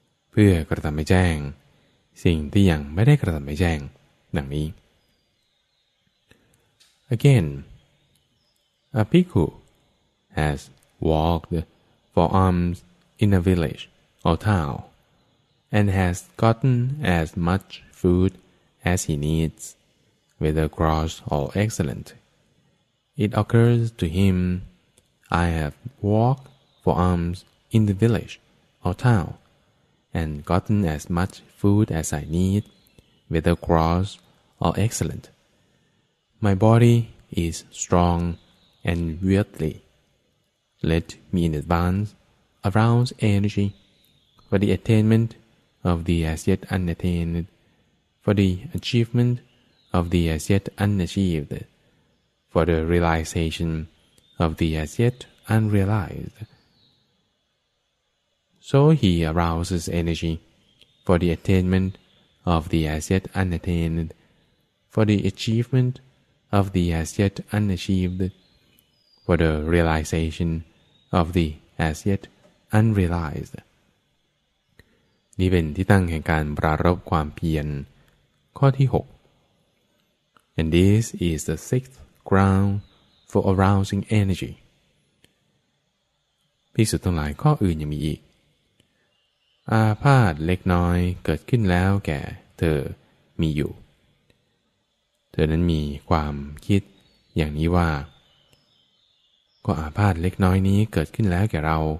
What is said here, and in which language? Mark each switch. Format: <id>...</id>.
<th>เพื่อกระทำให้แจ้งสิ่งที่ยังไม่ได้กระทำให้แจ้งดังนี้</th> <en>Again, a bhikkhu has walked for alms in a village or town and has gotten as much food as he needs, whether gross or excellent. It occurs to him, I have walked for almsin the village or town, and gotten as much food as I need, whether gross or excellent. My body is strong and wealthy. Let me in advance arouse energy for the attainment of the as yet unattained, for the achievement of the as yet unachieved, for the realization of the as yet unrealized. So he arouses energy for the attainment of the as yet unattained, for the achievement of the as yet unachieved, for the realization of the as yet unrealized.</en> <th>นี่เป็นที่ตั้งแห่งการปรารภความเพียรข้อที่6</th> <en>And this is the sixth ground for arousing energy.</en> <th>ภิกษุทั้งหลายข้ออื่นยังมีอีกอาพาธเล็กน้อยเกิดขึ้นแล้วแก่เธอมีอยู่เธอนั้นมีความคิดอย่างนี้ว่าก็อาพาธเล็กน้อยนี้เกิดขึ้นแล้วแก่เรา</th>